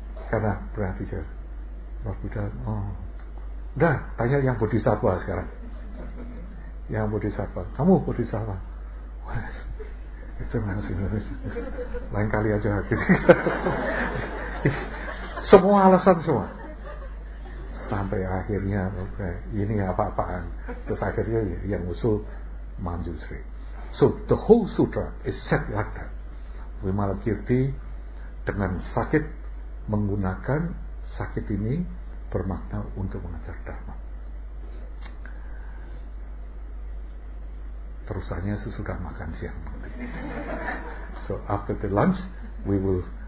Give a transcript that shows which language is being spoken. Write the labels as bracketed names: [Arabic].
[Indonesian] Karena berarti saya Lord Buddha, oh, udah tanya yang Bodhisattva sekarang, yang Bodhisattva, kamu Bodhisattva. Itu masih lain kali aja gitu. Semua alasan semua sampai akhirnya okay, ini apa-apaan. Terus akhirnya yang usul Manjusri. [English] So the whole sutra is set like that. [Indonesian] Vimalakirti dengan sakit menggunakan sakit ini bermakna untuk mengajar Dharma. Terusannya sesudah makan siang. [English] So after the lunch, we will